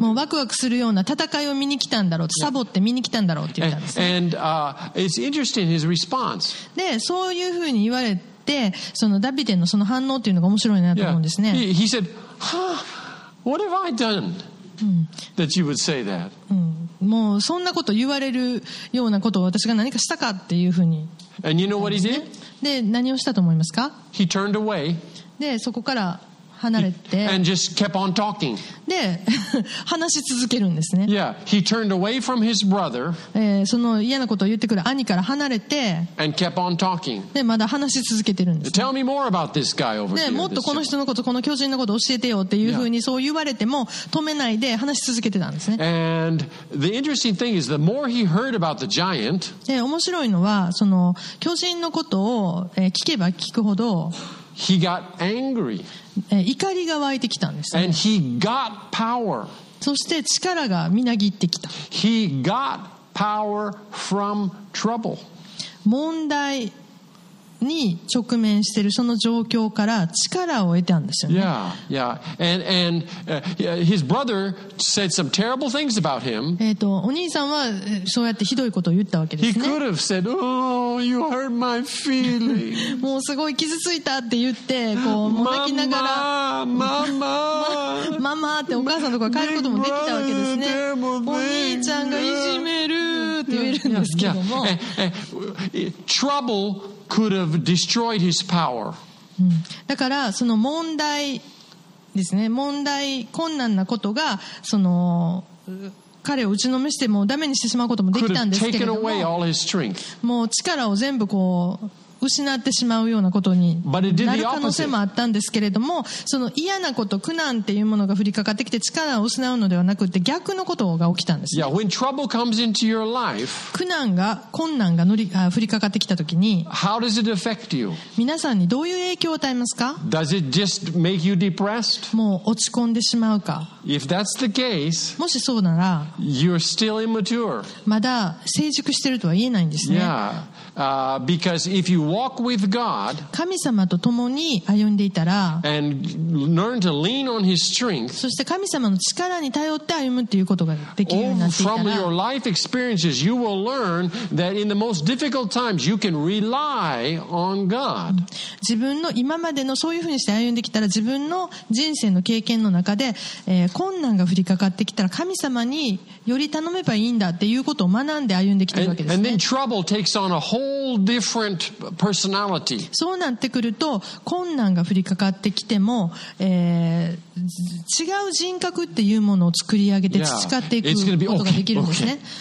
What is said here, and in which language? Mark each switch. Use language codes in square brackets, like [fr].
[ja] もうワクワクするような戦いを見に来たんだろうと、サボって見に来たんだろうって言ったんです、ね。 [en] It's interesting his response. [ja] で、そういうふうに言われて、そのダビデのその反応っていうのが面白いなと思うんですね。 [en] Yeah. He said, "Huh? What have I done that you would say that?" [ja] もうそんなこと言われるようなことを私が何かしたかっていうふうに。 [en] And you know what he did? [ja] で、何をしたと思いますか? [en] He turned away. [ja] で、そこから離れて。 [en] And just kept on talking. [ja] で、話し続けるんですね。 [en] Yeah, he turned away from his brother. [ja] その嫌なことを言ってくる兄から離れて。 [en] And kept on talking. [ja] で、まだ話し続けてるんです、ね。 [en] Tell me more about this guy over here. [ja] で、もっとこの人のこと、この巨人のこと教えてよっていうふうにそう言われても止めないで話し続けてたんですね。 [en] And the interesting thing is, the more he heard about the giant. [ja] で、面白いのはその巨人のことを聞けば聞くほど。 [en] He got angry. [ja] 怒りが湧いてきたんですね。 [en] And he got power. [ja] そして力がみなぎってきた。 [en] He got power from trouble. [ja] 問題に直面しているその状況から力を得たんですよね。 [en] Yeah, yeah. And his brother said some terrible things about him. [ja] お兄さんはそうやってひどいことを言ったわけですね。 [en] He could have said, "Oh, you hurt my feelings." [ja] もうすごい傷ついたって言ってこうもがきながら、ママ、ママってお母さんのところに帰ることもできたわけですね。お兄ちゃんがいじめるって言えるんですけども、 [en] Trouble. Could have destroyed his power. [ja] だからその問題ですね。問題困難なことがその彼を打ちのめしてもうダメにしてしまうこともできたんですけれども、もう力を全部こう。失ってしまうようなことになる可能性もあったんですけれども、その嫌なこと苦難っていうものが降りかかってきて力を失うのではなくて逆のことが起きたんです、ね、 [en] yeah, when trouble comes into your life, [ja] 苦難が困難が降りかかってきたときに [en] How does it affect you? [ja] 皆さんにどういう影響を与えますか。 [en] Does it just make you depressed? [ja] もう落ち込んでしまうか。 [en] If that's the case, [ja] もしそうなら [en] You're still immature. [ja] まだ成熟してるとは言えないんですね。 [en] yeahbecause if you walk with God, [ja] 神様と共に歩んでいたら [en] and learn to lean on his strength, [ja] そして神様の力に頼って歩むということができるようになっていたら [en] from your life experiences, you will learn that in the most difficult times, you can rely on God. [ja] 自分の今までのそういうふうにして歩んできたら自分の人生の経験の中で、困難が降りかかってきたら神様により頼めばいいんだっていうことを学んで歩んできているわけですね。 [en] and then trouble takes on a whole whole different personality. [ja] そうなってくると困難が降りかかってきても、違う人格っていうものを作り上げて培っていくことができるんですね。